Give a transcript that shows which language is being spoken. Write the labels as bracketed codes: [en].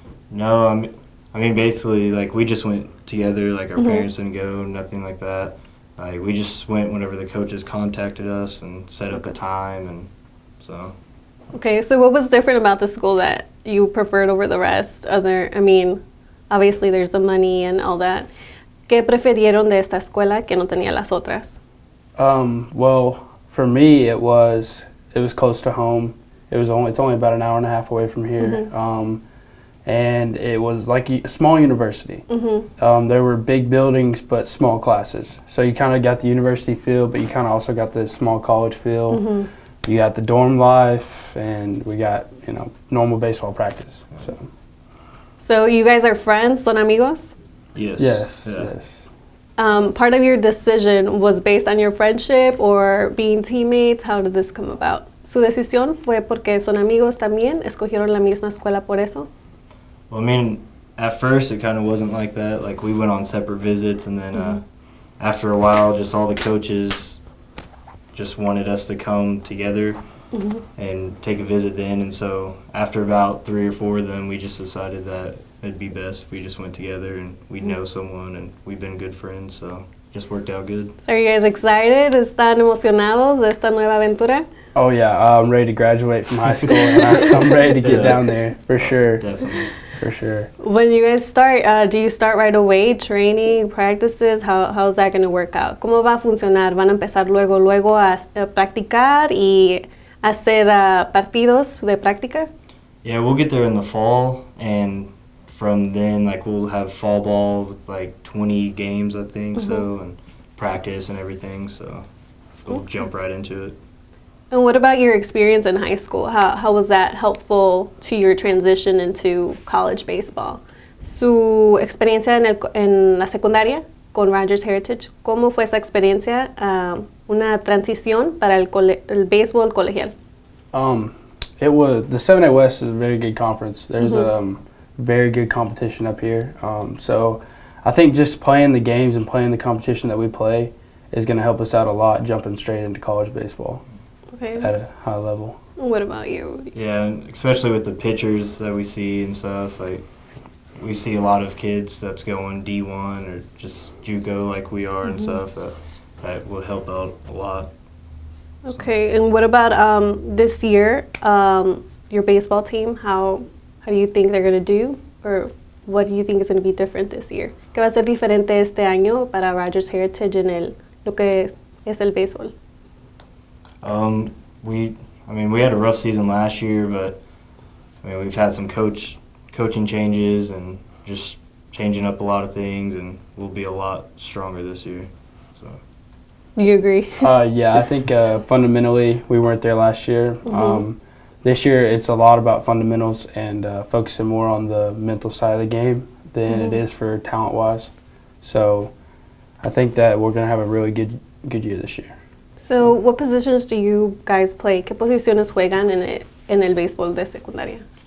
[en] No, basically, we just went together, our parents didn't go, nothing like that. We just went whenever the coaches contacted us and set up a time, and so. Okay, so what was different about the school that you preferred over the rest? Obviously there's the money and all that. [es] ¿Qué preferieron de esta escuela que no tenía las otras? [en] Well, for me, it was close to home. It's only about an hour and a half away from here. Mm-hmm. And it was like a small university. Mm-hmm. There were big buildings, but small classes. So you kind of got the university feel, but you kind of also got the small college feel. Mm-hmm. You got the dorm life, and we got, normal baseball practice. So. So you guys are friends, [es] son amigos? [en] Yes. Yes, yeah. Yes. Part of your decision was based on your friendship or being teammates. How did this come about? [es] Su decisión fue porque son amigos también, escogieron la misma escuela por eso. [en] Well, at first it kind of wasn't like that. We went on separate visits, and then after a while, just all the coaches just wanted us to come together and take a visit then. And so after about three or four of them, we just decided that it'd be best if we just went together and we'd know someone, and we've been good friends, so it just worked out good. So are you guys excited? [es] ¿Están emocionados de esta nueva aventura? [en] Oh, yeah. I'm ready to graduate from high school, and I'm ready to get down there for sure. Definitely. For sure. When you guys start, do you start right away training, practices? How is that going to work out? [es] ¿Cómo va a funcionar? ¿Van a empezar luego a practicar y hacer partidos de práctica? [en] Yeah, we'll get there in the fall, and from then, we'll have fall ball with, 20 games, I think, so, and practice and everything, so we'll jump right into it. And what about your experience in high school? How was that helpful to your transition into college baseball? [es] Su experiencia en la secundaria con Rogers Heritage, ¿cómo fue esa experiencia, una transición para el béisbol colegial? [en] The 7A West is a very good conference. There's very good competition up here. So I think just playing the games and playing the competition that we play is going to help us out a lot jumping straight into college baseball. Okay. At a high level. What about you? Yeah, especially with the pitchers that we see and stuff. We see a lot of kids that's going D1 or just JUCO like we are and stuff. That will help out a lot. Okay, so. And what about this year, your baseball team? How do you think they're going to do? Or what do you think is going to be different this year? [es] ¿Qué va a ser diferente este año para Rogers Heritage en lo que es el béisbol? [en] We had a rough season last year, but we've had some coaching changes and just changing up a lot of things, and we'll be a lot stronger this year. So, you agree? Yeah, I think fundamentally we weren't there last year. This year, it's a lot about fundamentals and focusing more on the mental side of the game than it is for talent-wise. So I think that we're going to have a really good year this year. So what positions do you guys play? [es] ¿Qué posiciones juegan en el béisbol de secundaria?